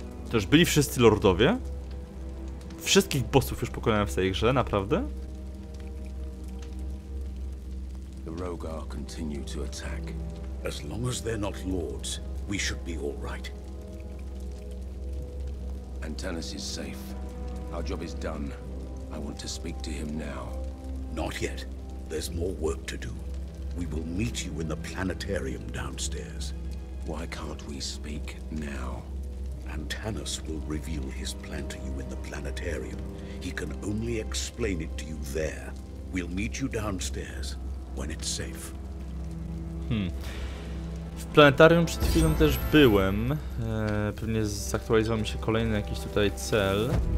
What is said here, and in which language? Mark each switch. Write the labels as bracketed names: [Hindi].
[Polish] To już byli wszyscy lordowie? Wszystkich bossów już pokonałem w tej grze, naprawdę? [English] The Rogar continue to attack. As long as they're not lords, we should be all right. Antanas is safe. Our job is done. I want to speak to him now. Not yet. There's more work to do. We will meet you in the planetarium downstairs. Why can't we speak now? Antanas will reveal his plan to you in the planetarium. He can only explain it to you there. We'll meet you downstairs when it's safe. [Polish] W planetarium przed chwilą też byłem. Pewnie zaktualizował mi się kolejny jakiś tutaj cel.